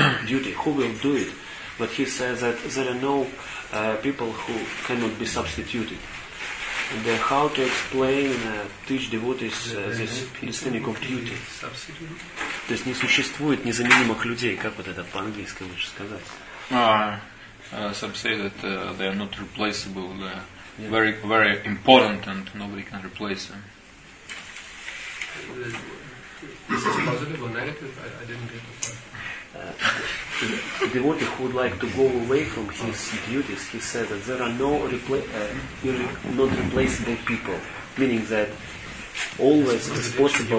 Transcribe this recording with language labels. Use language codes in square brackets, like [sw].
[en] Duty, who will do it? But he says that there are no people who cannot be substituted. And how to explain and teach devotees this understanding of duty? [ru] То есть не существует незаменимых людей, как вот это по-английски лучше сказать? [en] Some say that they are not replaceable, they are very, very important and nobody can replace them. This is positive or negative? I didn't get the point. The devotee who would like to go away from his duties, he said that there are no not replaceable people, meaning that always it's possible.